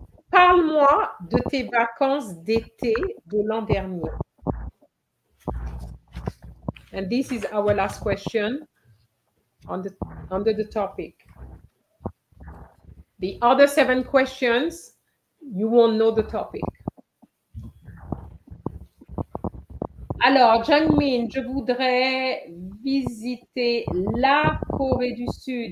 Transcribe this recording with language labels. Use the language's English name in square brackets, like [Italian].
[French] Parle-moi de tes vacances d'été de l'an dernier. [English] And this is our last question under the topic. The other 7 questions, you won't know the topic. [French] Alors, Jungmin, je voudrais visiter la Corée du Sud.